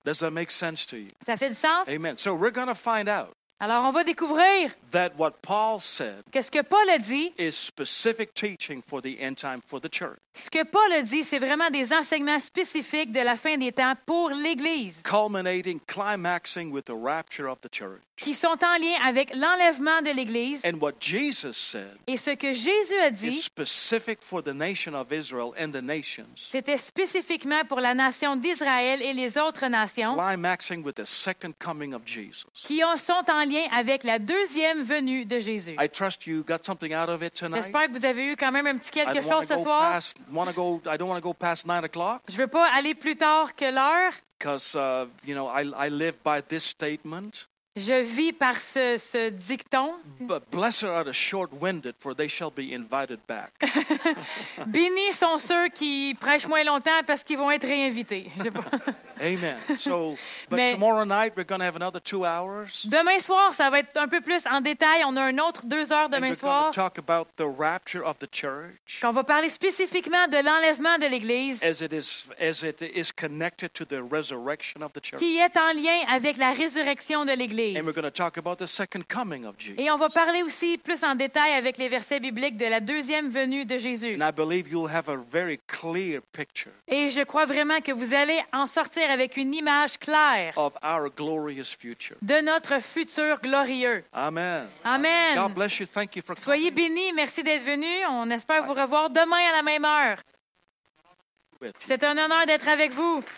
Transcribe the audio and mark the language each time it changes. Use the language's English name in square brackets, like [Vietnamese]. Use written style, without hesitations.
[English] Does that make sense to you? [French] Ça fait du sens? [English] Amen. So we're going to find out. [French] Alors on va découvrir [English] that what Paul said, [French] qu'est-ce que Paul a dit, [English] is specific teaching for the end time for the church. [French] Ce que Paul a dit, c'est vraiment des enseignements spécifiques de la fin des temps pour l'église. [English] Culminating, climaxing with the rapture of the church. [French] qui sont en lien avec l'enlèvement de l'Église. [English] And what Jesus said, [French] et ce que Jésus a dit, [English] is specific for the nation of Israel and the nations. [French] C'était spécifiquement pour la nation d'Israël et les autres nations. [English] Climaxing with the second coming of Jesus. [French] Qui sont en lien avec la deuxième venue de Jésus. [English] I trust you got something out of it tonight. [French] J'espère que vous avez eu quand même un petit quelque chose ce soir. [English] I don't want to go past 9 o'clock. [French] Je veux pas aller plus tard que l'heure. [English] Because you know, I live by this statement. [French] Je vis par ce dicton. [English] But blessed are the short-winded, for they shall be invited back. [French] Bénis sont ceux qui prêchent moins longtemps parce qu'ils vont être réinvités. [English] Amen. So, but tomorrow night we're going to have another 2 hours. [French] Demain soir, ça va être un peu plus en détail. On a un autre 2 heures demain soir. [English] And we're going to talk about the rapture of the church. [French] Qu'on va parler spécifiquement de l'enlèvement de l'Église. [English] As it is connected to the resurrection of the church. [French] Qui est en lien avec la résurrection de l'Église. [English] And we're going to talk about the second coming of Jesus. [French] Et on va parler aussi plus en détail avec les versets bibliques de la deuxième venue de Jésus. [English] And I believe you'll have a very clear picture. [French] Et je crois vraiment que vous allez en sortir avec une image claire [English] of our glorious future. [French] De notre futur glorieux. [English] Amen. Amen. God bless you. Thank you for coming. [French] Soyez bénis. Merci d'être venus. On espère vous revoir demain à la même heure. C'est un honneur d'être avec vous.